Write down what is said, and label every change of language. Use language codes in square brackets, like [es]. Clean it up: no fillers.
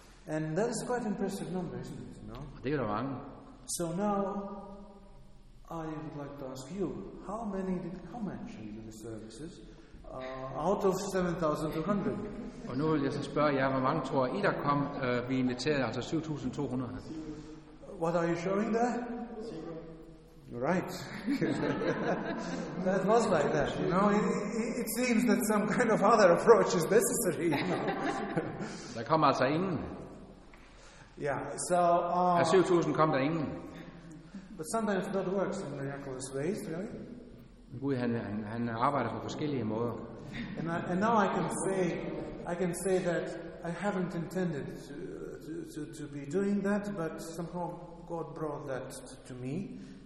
[en] And that is quite impressive number, isn't it? No? [da] Og det er der mange. [en] So now I would like to ask you, how many did come actually to the services out of 7,200? [da] Og nu vil jeg så spørge jer, hvor mange tror I, der kom, vi inviterede, altså 7,200? [en] What are you showing there? You're right. That was like that. You know, it seems that some kind of other approach is necessary. [da] Der kom altså ingen. [en] Yeah, so... [da] Af 7,000 kom der ingen. [en] But sometimes that works in miraculous ways, really. [da] Gud, han arbejder på forskellige måder. [en] And now I can say that I haven't intended to be doing that, but somehow God brought that to me.